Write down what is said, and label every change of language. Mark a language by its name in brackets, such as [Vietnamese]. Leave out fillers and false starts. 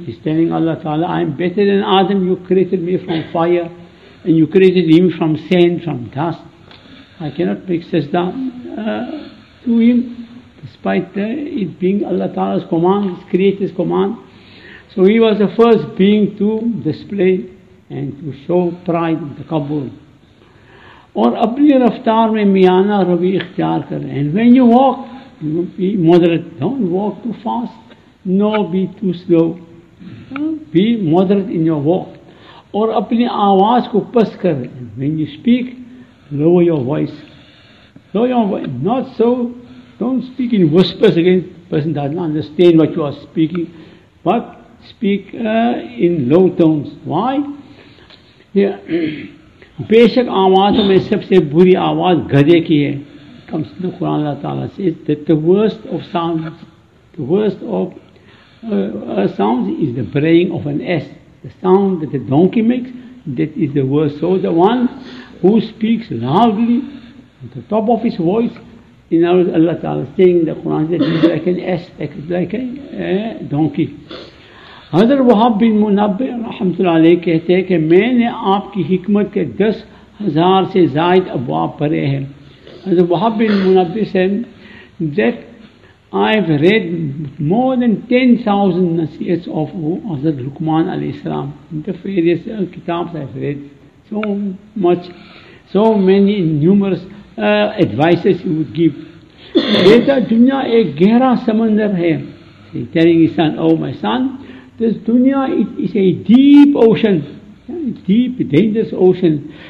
[English] He's telling Allah Ta'ala, I am better than Adam. You created me from fire and you created him from sand, from dust. I cannot make sajda to him despite it being Allah Ta'ala's command, his creator's command. So he was the first being to display and to show pride in the Kabul. [Urdu] اور اپنی رفتار میں میانہ روی اختیار کریں. [English] And when you walk, you be moderate. Don't walk too fast, nor be too slow. Be moderate in your walk. اور اپنی آواز کو پست کریں. When you speak, lower your voice. Lower your voice. Not so, don't speak in whispers again. Person does not understand what you are speaking. But speak in low tones. Why? Yeah. [Urdu] بے شک آوازوں میں سب سے بری آواز گدے کی ہے. کمس نے قرآن اللہ تعالیٰ سے [English] the worst of sounds is the braying of an ass. The sound that the donkey makes, that is the worst. So the one who speaks loudly at the top of his voice, in other words, Allah تعالیٰ saying the Quran that he's like an ass, like a donkey. [Urdu] حضرت وہاب بن منبع رحمۃ اللہ علیہ کہتے ہیں کہ میں نے آپ کی حکمت کے 10,000 سے زائد ابواب پڑھے ہیں. [English] حضرت Wahab bin Munabbih said that I have read more than 10,000 نصیحت of حضرت لقمان علیہ السلام. The various کتابس I have read so much, so many numerous advices he would give. [Urdu] یہ دنیا ایک گہرا سمندر ہے, [English] He's telling his son, oh my son, this dunya is a deep ocean, deep, dangerous ocean.